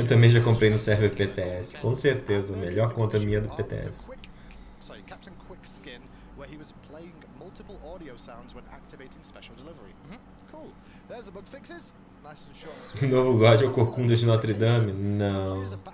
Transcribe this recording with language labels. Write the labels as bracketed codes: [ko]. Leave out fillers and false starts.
[pt] Eu também já comprei no server PTS, com certeza, melhor conta minha do PTS. [en] Sorry, Captain Quick skin, where he was playing multiple audio sounds when activating special delivery. Cool. There's the bug fixes. Nice and short. [pt] Novo usuário é o Corcunda de Notre Dame? Não.